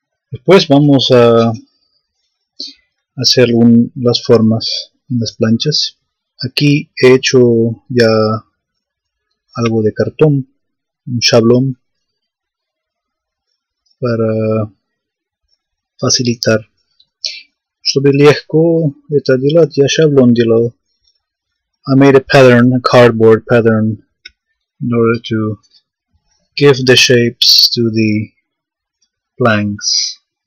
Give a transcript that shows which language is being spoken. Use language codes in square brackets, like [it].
[es] Después vamos a hacer las formas en las planchas. Aquí he hecho ya algo de cartón, un chablón, para facilitar. [ru] Чтобы легко это делать, я шаблон делал. [en] I made a pattern, a cardboard pattern, in order to give the shapes to the planks.